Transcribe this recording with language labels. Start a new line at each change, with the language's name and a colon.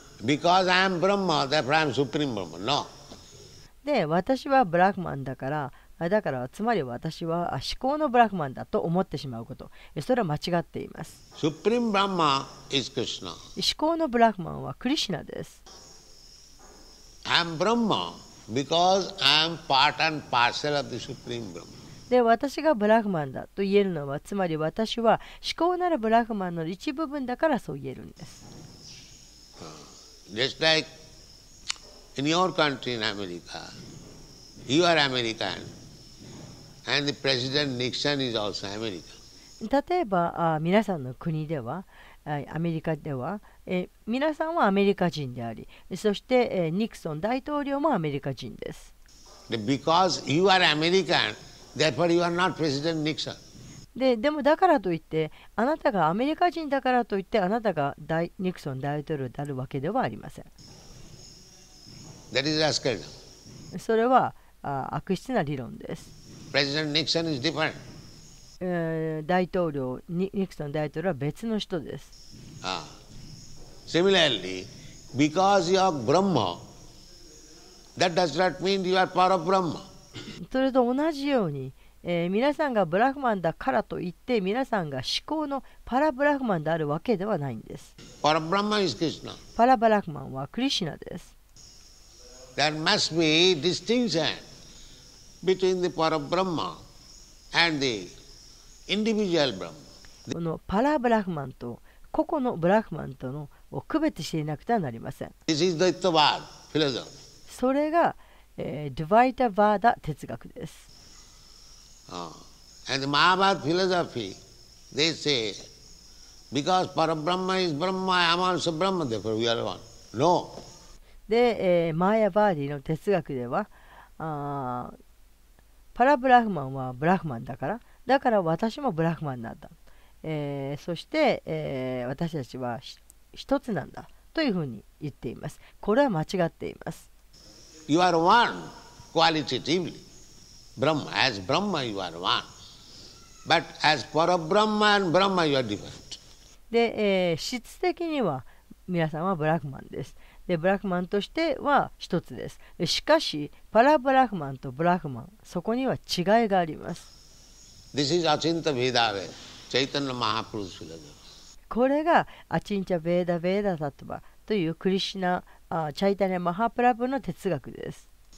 English: Because I am Brahma, therefore I am Supreme Brahma. No.
Japanese: で、私はブラックマンだから、つまり私は思考のブラックマンだと思ってしまうこと、それは間違っています。
English: Supreme Brahma is Krishna.
Japanese: 思考のブラックマンはクリシナです。
English: I am Brahma because I am part and parcel of the Supreme Brahma.
Japanese: で、私がブラックマンだと言えるのは、つまり私は思考なるブラックマンの一部分だからそう言えるんです。
English: Just like. In your country in America, you are American, and the President Nixon is also American.
Japanese: 例えば、皆さんの国では、アメリカでは、皆さんはアメリカ人であり、そして、ニクソン大統領もアメリカ人です。
English: Because you are American, therefore you are not President Nixon.
Japanese: でもだからといって、あなたがアメリカ人だからといって、あなたがニクソン大統領であるわけではありません。
English: That is asked.
Japanese: それは悪質な理論です。
English: President Nixon is different.
Japanese: 大統領、ニクソン大統領は別の人です。
English: Similarly, because you are Brahma, that does not mean you are part of Brahma.
Japanese: それと同じように、皆さんがブラフマンだからといって、皆さんが思考のパラブラフマンであるわけではないんです。パラブラフマンはクリシナ。パラブラフマンはクリシナです。
English: There must be distinction between the Parabrahma and the individual Brahma.
Japanese: このパラブラフマンと個々のブラフマンとのを区別していなくてはなりません。
English: This is the Dvaita philosophy.
Japanese: それが、Dvaita Vada 哲学です。
English: And the Mahabharata philosophy, they say, because Parabrahma is Brahma, I am also Brahma, therefore we are one. No.
Japanese: で、マーヤバーディの哲学ではパラブラフマンはブラフマンだからだから私もブラフマンなんだ、そして、私たちは一つなんだというふうに言っています。これは間違っています。
English: You are one qualitatively Brahma as Brahma you are one but as Parabrahma and Brahma you are different
Japanese: で、質的には皆さんはブラフマンです。でブラフマンとしては一つです。しかし、パラブラフマンとブラフマン、そこには違いがあります。
English: This is Achinta Bhedāve. Chaitanya Mahaprabhu's philosophy.
Japanese: これがアチンチャベーダベーダタトバというクリシナ、チャイタニアマハプラブの哲学です。